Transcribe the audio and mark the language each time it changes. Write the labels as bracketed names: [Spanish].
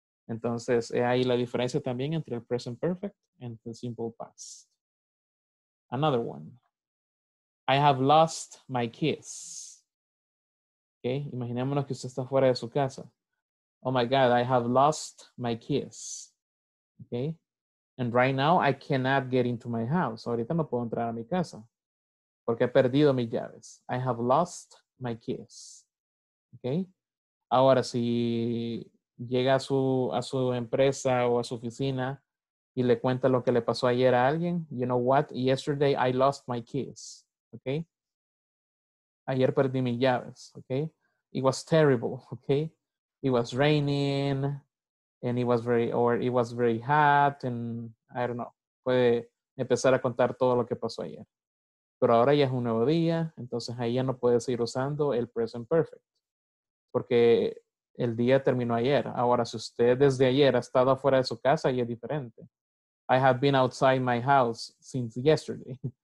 [Spanish] Entonces, ahí la diferencia también entre el [English] present perfect and the simple past. Another one. I have lost my keys. ¿Ok? [Spanish] Imaginémonos que usted está fuera de su casa. [English] Oh my God, I have lost my keys. ¿Ok? And right now, I cannot get into my house. [Spanish] Ahorita no puedo entrar a mi casa. Porque he perdido mis llaves. [English] I have lost my keys. [Spanish] ¿Ok? Ahora, si llega a su empresa o a su oficina y le cuenta lo que le pasó ayer a alguien, [English] you know what? Yesterday, I lost my keys. ¿Ok? [Spanish] Ayer perdí mis llaves. [English] ¿Ok? It was terrible. ¿Ok? It was raining. And it was very hot. And I don't know. [Spanish] Puede empezar a contar todo lo que pasó ayer. Pero ahora ya es un nuevo día, entonces ahí ya no puedes ir usando el present perfect. Porque el día terminó ayer. Ahora, si usted desde ayer ha estado afuera de su casa, ya es diferente. [English] I have been outside my house since yesterday.